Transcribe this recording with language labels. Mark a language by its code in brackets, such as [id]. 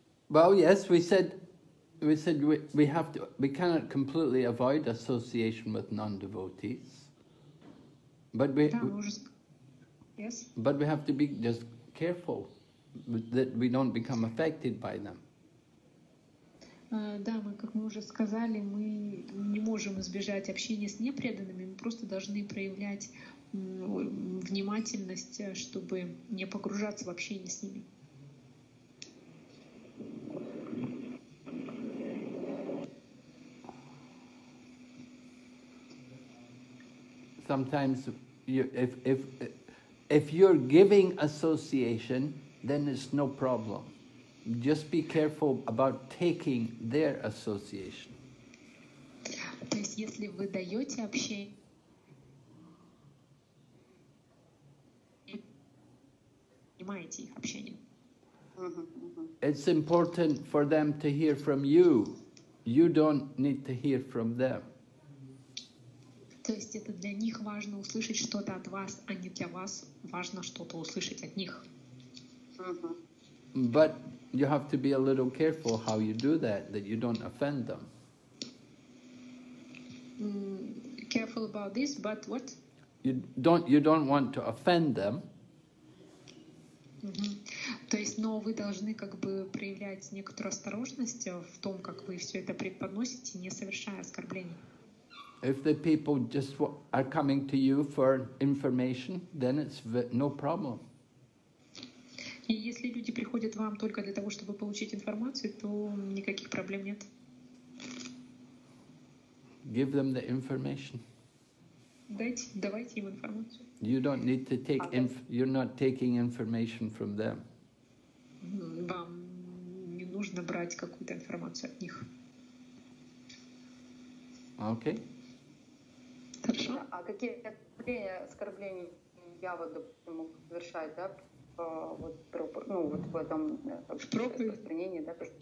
[en] Well, yes, we cannot completely avoid association with non-devotees, but we have to be just careful that we don't become affected by them. [ru] Да, мы, как мы уже сказали, мы не можем избежать общения с непреданными, мы просто должны проявлять внимательность, чтобы не погружаться в общение с ними. [en] Sometimes, if you're giving association, then it's no problem. Just be careful about taking their association. [ru] То есть, если вы даете общение, принимаете их общение. [en] It's important for them to hear from you. You don't need to hear from them. [ru] То есть это для них важно услышать что-то от вас, а не для вас важно что-то услышать от них. [en] But you have to be a little careful how you do that, that you don't offend them. Careful about this, but what? You don't want to offend them. [ru] То есть, но вы должны как бы проявлять некоторую осторожность в том, как вы все это преподносите, не совершая оскорблений. [en] If the people just are coming to you for information, then it's no problem. [ru] И если люди приходят вам только для того, чтобы получить информацию, то никаких проблем нет. [en] Give them the information. [ru] Давайте им информацию. [en] You don't need to take you're not taking information from them. [ru] Вам не нужно брать какую-то информацию от них. [en] Okay. [ru] Хорошо. А какие оскорбления я вот, допустим, могу совершать, да, в этом распространении, да,